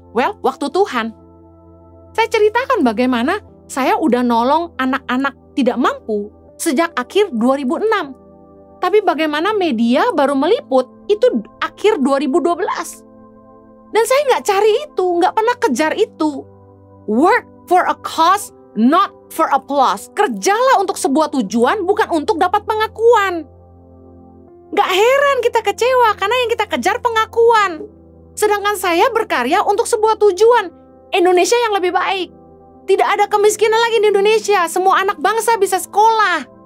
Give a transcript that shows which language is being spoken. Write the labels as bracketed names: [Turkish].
[Indonesian] Well, waktu Tuhan. Saya ceritakan bagaimana saya udah nolong anak-anak tidak mampu sejak akhir 2006. Tapi bagaimana media baru meliput itu akhir 2012. Dan saya gak cari itu, gak pernah kejar itu. [English] Work for a cause, not for applause. [Indonesian] Kerjalah untuk sebuah tujuan, bukan untuk dapat pengakuan. Gak heran kita kecewa, karena yang kita kejar pengakuan. Sedangkan saya berkarya untuk sebuah tujuan. Indonesia yang lebih baik. Tidak ada kemiskinan lagi di Indonesia. Semua anak bangsa bisa sekolah.